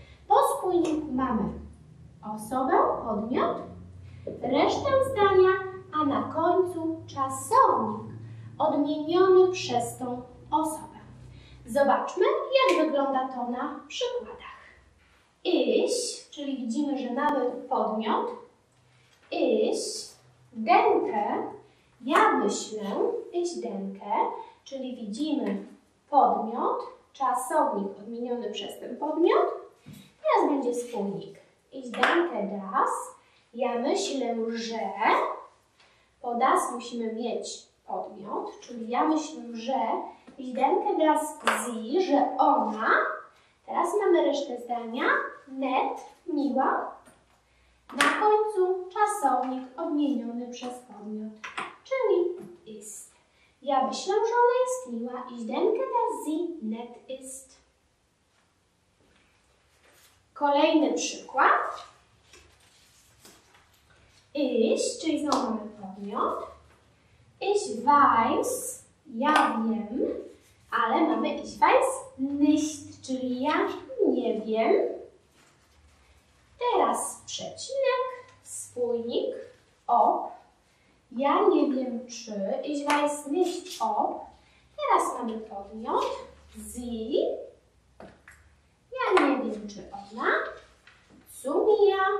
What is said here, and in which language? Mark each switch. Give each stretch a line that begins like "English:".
Polish: Po spójniku mamy osobę, podmiot, resztę zdania, a na końcu czasownik odmieniony przez tą osobę. Zobaczmy, jak wygląda to na przykładach.
German: Ich,
Polish: czyli widzimy, że mamy podmiot.
German: Ich denke,
Polish: ja myślę,
German: ich denke.
Polish: Czyli widzimy podmiot, czasownik odmieniony przez ten podmiot. Teraz będzie spójnik.
German: Ich denke das.
Polish: Ja myślę, że. Po das musimy mieć podmiot. Czyli ja myślę, że.
German: Ich denke das sie,
Polish: że ona. Teraz mamy resztę zdania. Nett, miła. Na końcu czasownik odmieniony przez podmiot. Czyli ist. Ja myślę, że ona jest miła.
German: Ich denke, dass sie nett ist.
Polish: Kolejny przykład.
German: Ich,
Polish: czyli znowu mamy podmiot.
German: Ich weiß,
Polish: ja wiem, ale mamy
German: ich weiß nicht,
Polish: czyli ja nie wiem. Teraz przecinek, spójnik, ob. Ja nie wiem, czy.
German: Ich weiß nicht, ob.
Polish: Teraz mamy podmiot.
German: Sie.
Polish: Ja nie wiem, czy ona.
German: Zu mir.